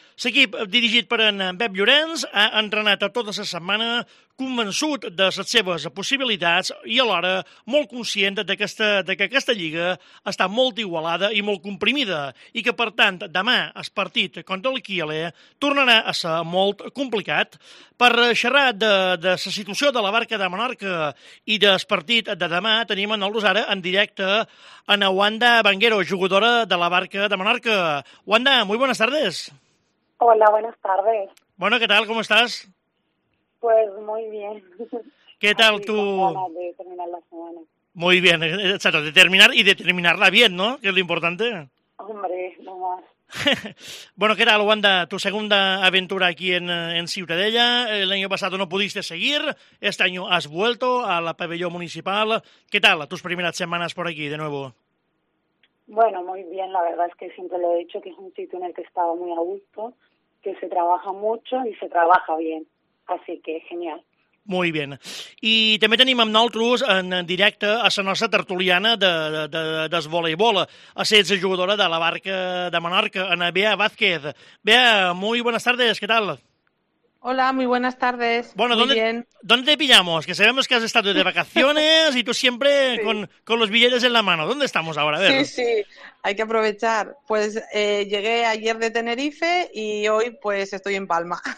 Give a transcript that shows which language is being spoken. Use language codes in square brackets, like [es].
[ca] L'equip dirigit per en Pep Llorenç ha entrenat tota la setmana convençut de les seves possibilitats i alhora molt conscient que aquesta lliga està molt igualada i molt comprimida i que, per tant, demà el partit contra el Kiele tornarà a ser molt complicat. Per xerrar de la situació de la Barca de Menorca i del partit de demà, tenim a nosaltres ara en directe a Wanda Banguero, jugadora de la Barca de Menorca. [es] Wanda, muy buenas tardes. Hola, buenas tardes. Bueno, ¿qué tal? ¿Cómo estás? Pues muy bien. ¿Qué tal tú? Con ganas de terminar la semana. Muy bien, exacto, de terminar y de terminarla bien, ¿no? Que es lo importante. Hombre, no más. Bueno, ¿qué tal, Wanda? Tu segunda aventura aquí en Ciutadella. El año pasado no pudiste seguir, este año has vuelto a la pabellón municipal. ¿Qué tal tus primeras semanas por aquí de nuevo? Bueno, muy bien, la verdad es que siempre lo he dicho, que es un sitio en el que estaba muy a gusto, que se trabaja mucho y se trabaja bien, así que genial. Muy bien. [ca] I també tenim amb nosaltres en directe a la nostra tertuliana del voleibol, a ser jugadora de la Barca de Menorca, en Bea Vázquez. [es] Bea, muy buenas tardes, ¿qué tal? Hola, muy buenas tardes. Bueno, ¿dónde te pillamos? Que sabemos que has estado de vacaciones y tú siempre sí. con los billetes en la mano. ¿Dónde estamos ahora? A ver. Sí, sí, hay que aprovechar. Pues llegué ayer de Tenerife y hoy pues estoy en Palma.